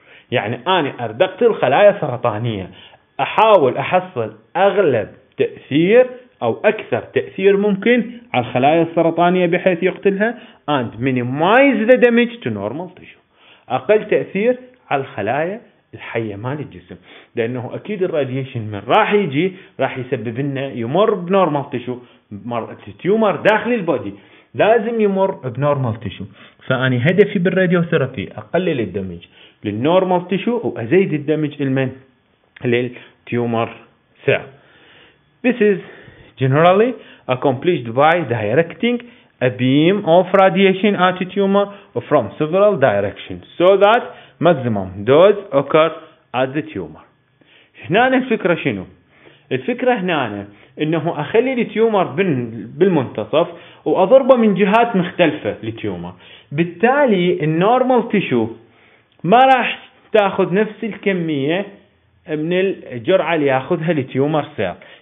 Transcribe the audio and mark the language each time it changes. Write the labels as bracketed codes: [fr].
[ar] يعني انا اردقت الخلايا السرطانيه احاول احصل اغلب تاثير او اكثر تاثير ممكن على الخلايا السرطانيه بحيث يقتلها [en] and minimize the damage to normal tissue، [ar] اقل تاثير على الخلايا الحيه مال الجسم، لانه اكيد الراديشن من راح يجي راح يسبب لنا يمر بنورمال تيشو تيومر داخل البودي، لازم يمر بنورمال تيشو. فاني هدفي بالراديوثيرابي اقلل الدمج للنورمال تيشو وازيد الدمج لمن للتيومر سيل. [en] This is generally accomplished by directing a beam of radiation at a tumor from several directions so that maximum dose occurs at the tumor. [ar] هنا الفكرة شنو؟ الفكرة هنا انه اخلي التيومر بالمنتصف واضربه من جهات مختلفة للتيومر، بالتالي النورمال تيشو ما راح تاخذ نفس الكمية من الجرعة اللي ياخذها للتيومر سيل.